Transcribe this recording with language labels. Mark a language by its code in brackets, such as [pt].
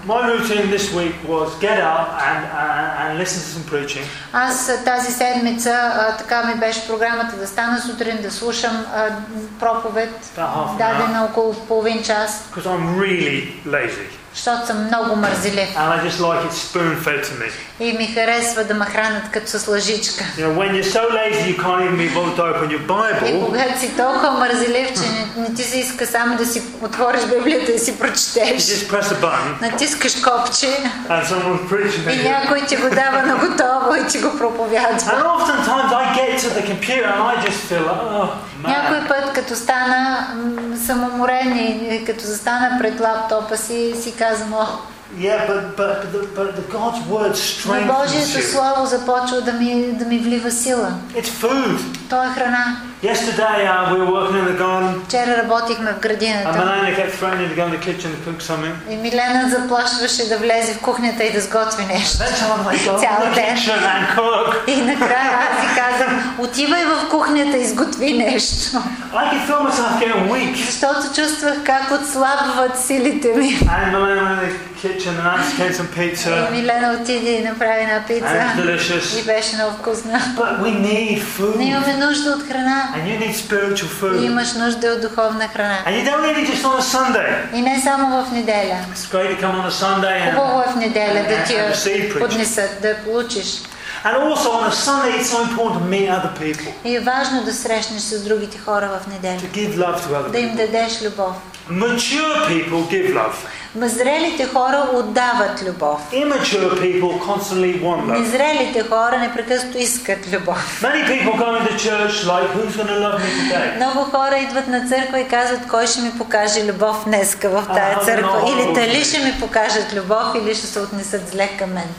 [en] My routine this week was get up and listen to some preaching. [bg] Аз тази седмица така ми беше програмата да стана сутрин да слушам проповед дадена около половин час. [en] Because I'm really lazy. [bg] Защото съм много мързелив. [en] And I just like it spoon-fed to me. [bg] И ми харесва да ме хранят като с лъжичка. [en] You know, when you're so lazy you can't even be bothered to open your Bible. [bg] И когато си толкова мързелив, че не ти се иска само да си отвориш Библията и си прочетеш. [en] You just press a button. [bg] Натискаш копче. [en] And someone's preaching to you. [bg] И някой ти го дава на готово и ти го проповядва. [en] And oftentimes I get to the computer and I just feel like, oh, man. [bg] Някой път като стана самоморен и като застана пред лаптопа си и казвам, о, [en] yeah, but the God's word strengthens you. [bg] Божието слово започва да ми влива сила. [en] It's food. [bg] То е храна. [en] Yesterday we were working in the garden. [bg] Вчера работихме в градината. [en] And Milena kept threatening to go in the kitchen to cook something. [bg] И Милена заплашваше да влезе в кухнята и да сготви нещо. Цял ден. И накрая аз си казах: "Отивай в кухнята и изготви нещо." [en] Like it felt myself getting weak. [bg] Защото чувствах как отслабват силите ми. [en] And Milena went in the kitchen and asked for some pizza. [bg] И Милена отиде и направи една пица. И беше много вкусна. [en] But we need food. [bg] Ние имаме нужда от храна. [en] And you need spiritual food. [bg] Имаш нужда от духовна храна. [en] And you don't need it just on a Sunday. [bg] И не само в неделя. [en] It's great to come on a Sunday. [bg] Хубаво в неделя да ти поднесат, да получиш. [en] And also on a Sunday it's so important to meet other people. [bg] И е важно да срещнеш с другите хора в неделя. [en] To give love to other people. [bg] Да им дадеш любов. [en] Mature people give love. [bg] Зрелите хора отдават любов. [en] Immature people constantly want love. [bg] Незрелите хора непрекъснато искат любов. [en] Many people come to church like, who's going to love me today? [bg] Много хора идват на църква и казват, кой ще ми покаже любов днеска в тая църква? Или дали ще ми покажат любов, или ще се отнесат зле към мен.